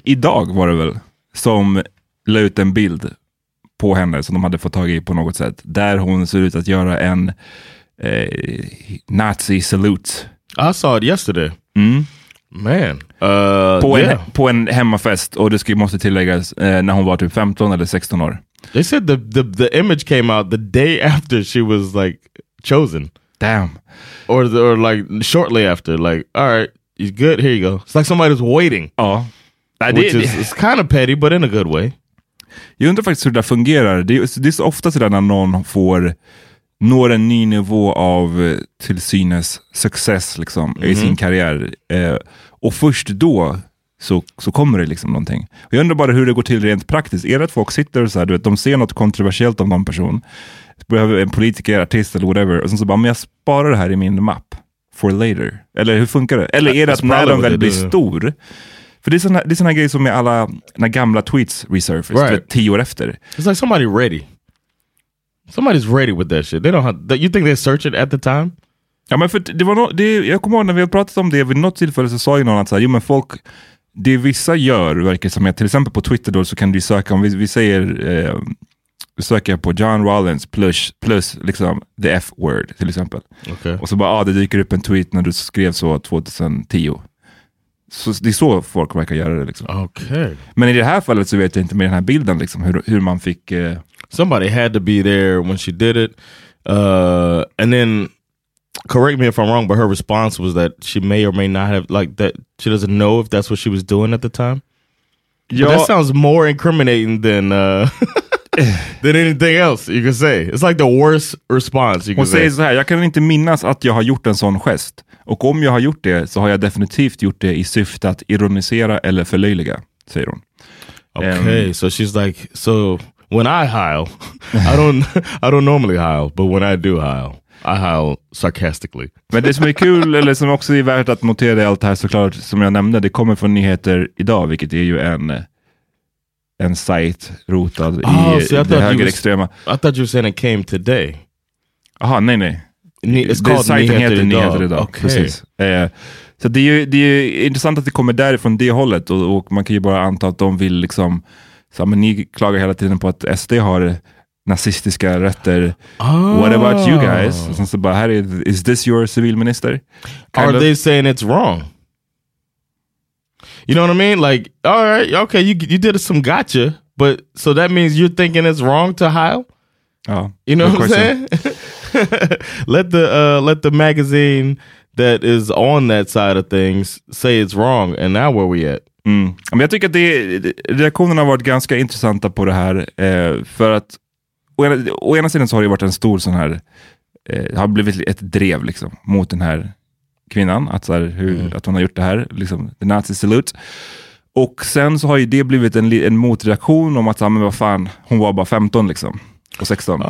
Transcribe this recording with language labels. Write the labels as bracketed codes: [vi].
[sv] Idag var det väl, som la ut en bild på henne som de hade fått tag i på något sätt. Där hon ser ut att göra en Nazi salute. [en] I saw it yesterday. Mm. Man. [sv] På en hemmafest, och det måste tilläggas när hon var typ 15 eller 16 år. [en] They said the image came out the day after she was like chosen. Damn. Or like shortly after, like, all right, you're good, here you go. It's like somebody was waiting. [sv] Ja. [en] It's kind of petty, but in a good way. [sv] Jag undrar faktiskt hur det fungerar. Det är ofta sådär när någon får når en ny nivå av till synes success liksom, i sin karriär. Och först då så kommer det liksom någonting. Och jag undrar bara hur det går till rent praktiskt. Är det att folk sitter och så här, du vet, de ser något kontroversiellt om någon person. behöver en politiker, artist eller whatever. Och sen så bara, men jag sparar det här i min map [en] for later. [sv] Eller hur funkar det? Eller är det att när de väl blir stor? För det är sådana grejer som är alla när gamla tweets [en] resurface, right. [sv] 10 år efter. [en] It's like somebody ready. Somebody's ready with that shit. They don't have, you think they search it at the time? [sv] Ja, men för det var no, det, jag kommer ihåg när vi har pratat om det vid något tillfälle så sa ju någon att så här, jo, men folk, det vissa gör verkar som att till exempel på Twitter då så kan du söka, om vi säger söker på John Rollins plus liksom [en] the F word [sv] till exempel. [en] Okay. [sv] Och så bara, ah, det dyker upp en tweet när du skrev så 2010. Så det är så folk verkar göra det liksom. Okay. Men i det här fallet så vet jag inte med den här bilden liksom hur man fick [en] somebody had to be there when she did it. And then correct me if I'm wrong, but her response was that she may or may not have, like, that she doesn't know if that's what she was doing at the time. Yeah, that sounds more incriminating than than anything else you could say. It's like the worst response you could say. [sv] Hon säger så här, jag kan inte minnas att jag har gjort en sån gest. Och om jag har gjort det så har jag definitivt gjort det i syfte att ironisera eller förlöjliga, säger hon. [en] Okay, so she's like, so when I howl, I don't normally howl, but when I do howl, I howl sarcastically. [sv] Men det som är kul, eller som också är värt att notera i allt här såklart, som jag nämnde, det kommer från Nyheter Idag, vilket är ju en site rotad i det högerextrema. [en] I thought you were saying it came today. [sv] Aha, nej. [en] It's called Nyheter Idag. Okay. [sv] Precis. Så det är ju intressant att det kommer därifrån det hållet, och man kan ju bara anta att de vill liksom, så här, men ni klagar hela tiden på att SD har nazistiska rötter. [en] Oh. What about you guys? [sv] Och sen så bara, här [en] is this your civilminister? Are they saying it's wrong? You know what I mean? Like, all right, okay, you did some gotcha, but so that means you're thinking it's wrong to hile? Oh, you know what I'm saying? let the magazine that is on that side of things say it's wrong, and now where we at? Mm. [sv] Men jag tycker att reaktionerna har varit ganska intressanta på det här, för att å ena sidan så har det varit en stor sån här, har blivit ett drev liksom mot den här kvinnan, att så här, att hon har gjort det här liksom, [en] the Nazi salute. [sv] Och sen så har ju det blivit en motreaktion om att, men vad fan, hon var bara 15 liksom och 16.